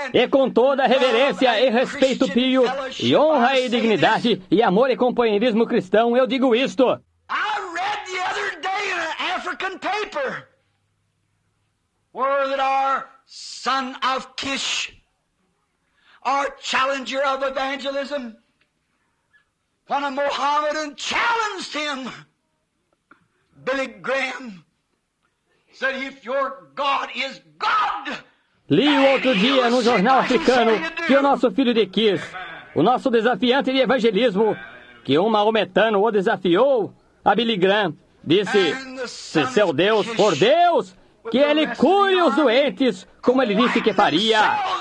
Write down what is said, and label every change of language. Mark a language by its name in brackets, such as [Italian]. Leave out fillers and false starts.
[Portuguese] E com toda a reverência e respeito pio, e honra e dignidade, e amor e companheirismo cristão, eu digo isto. [English] I read the other day in an African paper where that our son of Kish, our challenger of evangelism, when a Mohammedan challenged him, Billy Graham, said, if your God is God. [Portuguese] Li o outro dia no jornal africano que o nosso filho de Kis, o nosso desafiante de evangelismo, que um maometano o desafiou, a Billy Graham, disse, se seu Deus for Deus, que ele cure os doentes, como ele disse que faria.